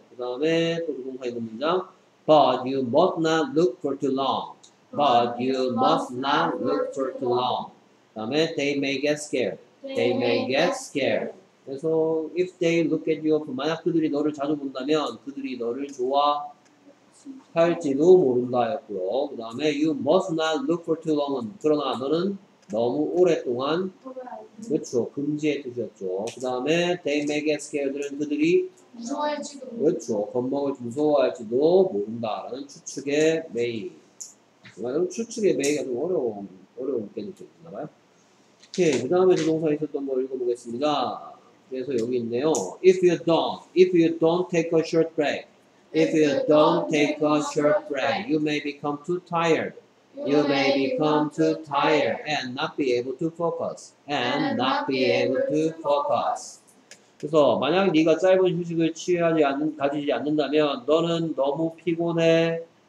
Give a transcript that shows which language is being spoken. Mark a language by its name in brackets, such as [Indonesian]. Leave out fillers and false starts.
[Korean] 그 다음에 또 조동사 있는 문장. [English] But you must not look for too long. But you must not look for too long. [Korean] 다음에 [English] they may get scared. They may get scared. [Korean] 그래서 [English] if they look at you often, [Korean] 만약 그들이 너를 자주 본다면 그들이 너를 좋아할지도 모른다였고요. 그 다음에 [English] you must not look for too long. [Korean] 그러나 너는 너무 오랫동안 그렇죠. 금지의 뜻이었죠. 그 다음에 [English] they may get scared [Korean] 은 그들이 무서워할지도 그렇죠. 겁먹을 무서워할지도 모른다라는 추측의 may. 그러면 추측의 매개가 좀 어려운 게 있나봐요. 오케이 그 다음에 조동사 있었던 거 읽어보겠습니다. 그래서 여기 있네요. [English] If you don't take a short break, if you don't take a short break, you may become too tired. You may become too tired and not be able to focus. And not be able to focus. [Korean] 그래서 만약 네가 짧은 휴식을 취하지 않는 가지지 않는다면 너는 너무 피곤해.